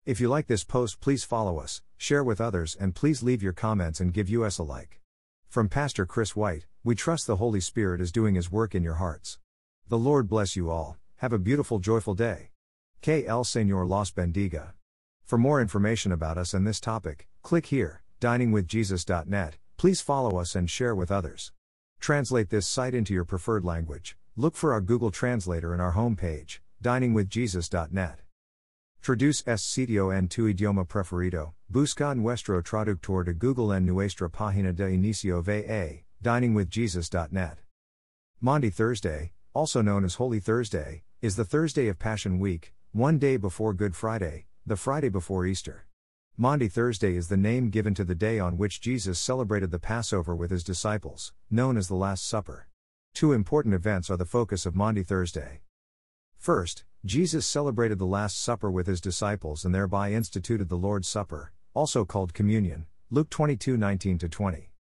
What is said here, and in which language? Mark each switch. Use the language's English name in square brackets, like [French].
[English] If you like this post, please follow us, share with others, and please leave your comments and give us a like. From Pastor Chris White, we trust the Holy Spirit is doing His work in your hearts. The Lord bless you all, have a beautiful, joyful day. [Spanish] Que el Señor los bendiga. [English] For more information about us and this topic, click here, diningwithjesus.net, please follow us and share with others. Translate this site into your preferred language, look for our Google Translator in our homepage, diningwithjesus.net. [Spanish] Traduce este sitio en tu idioma preferido, busca nuestro traductor de Google en nuestra página de inicio VA, diningwithjesus.net. [English] Maundy Thursday, also known as Holy Thursday, is the Thursday of Passion Week, one day before Good Friday, the Friday before Easter. Maundy Thursday is the name given to the day on which Jesus celebrated the Passover with his disciples, known as the Last Supper. Two important events are the focus of Maundy Thursday. First, Jesus celebrated the Last Supper with his disciples and thereby instituted the Lord's Supper, also called Communion, Luke 22:19-20.